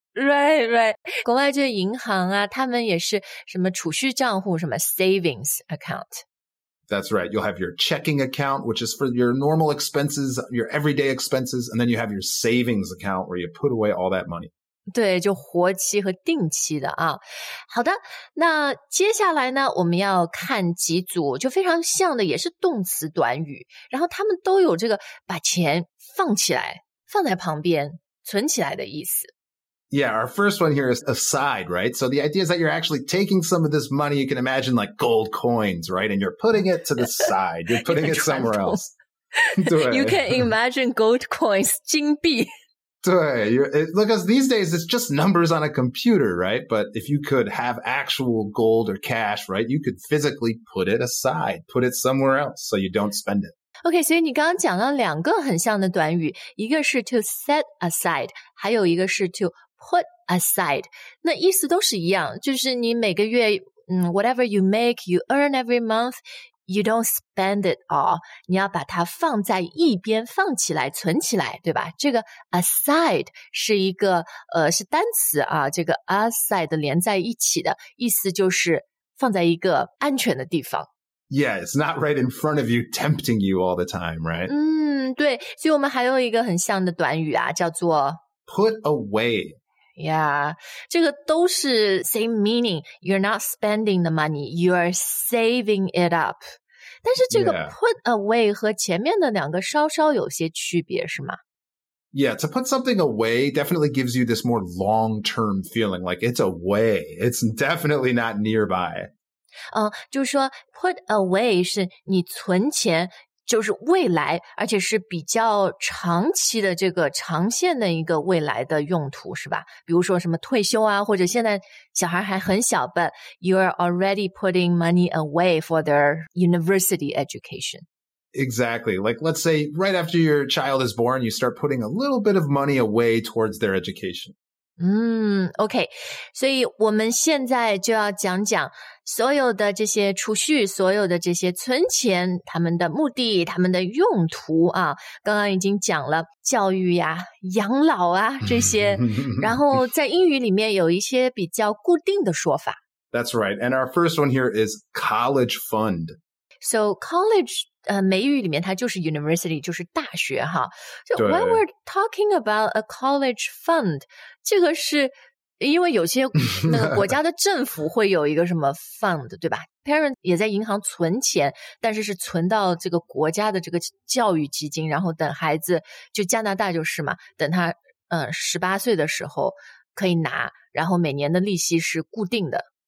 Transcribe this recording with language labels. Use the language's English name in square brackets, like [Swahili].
[English] Right, right. [Chinese] 国外这银行啊，他们也是什么储蓄账户，什么 savings account. [English] That's right. You'll have your checking account, which is for your normal expenses, your everyday expenses, and then you have your savings account where you put away all that money. [Chinese] 对，就活期和定期的啊。好的，那接下来呢，我们要看几组就非常像的，也是动词短语，然后他们都有这个把钱放起来，放在旁边，存起来的意思。 [English] Yeah, our first one here is aside, right? So the idea is that you're actually taking some of this money, you can imagine like gold coins, right? And you're putting it to the side, you're putting it somewhere else. You can imagine gold coins, [Chinese] 金币。对, [English] because these days it's just numbers on a computer, right? But if you could have actual gold or cash, right, you could physically put it aside, put it somewhere else so you don't spend it. [Chinese] Okay, 所以你刚刚讲了两个很像的短语，一个是 to set aside, 还有一个是 to put aside. 那意思都是一样，就是你每个月 [English] whatever you make, you earn every month, you don't spend it all. [Chinese] 你要把它放在一边，放起来，存起来，对吧？这个 aside 是一个是单词啊，这个 aside 连在一起的意思就是放在一个安全的地方。 [English] Yeah, it's not right in front of you, tempting you all the time, right? [Chinese] 对，所以我们还有一个很像的短语啊，叫做 [English] put away. Yeah, [Chinese] 这个都是 [English] same meaning, you're not spending the money, you're saving it up. [Chinese] 但是这个 put away 和前面的两个稍稍有些区别是吗？ [English] Yeah, to put something away definitely gives you this more long-term feeling, like it's away, it's definitely not nearby. [Chinese] 就是说 put away 是你存钱就是未来，而且是比较长期的这个长线的一个未来的用途，是吧？比如说什么退休啊，或者现在小孩还很小 [English] ，but you are already putting money away for their university education. Exactly. Like, let's say right after your child is born, you start putting a little bit of money away towards their education. OK. [Chinese] 所以我们现在就要讲讲。所有的这些储蓄，所有的这些存钱，他们的目的，他们的用途啊，刚刚已经讲了教育呀、养老啊这些，然后在英语里面有一些比较固定的说法。 [English] That's right. And our first one here is college fund. So college, [Chinese] 美语里面它就是 university, 就是大学哈。 [English] So when we're talking about a college fund, [Chinese] 这个是因为有些那个国家的政府会有一个什么 fund, 对吧 ?parents 也在银行存钱，但是是存到这个国家的这个教育基金，然后等孩子，就加拿大就是嘛，等他18岁的时候可以拿，然后每年的利息是固定的。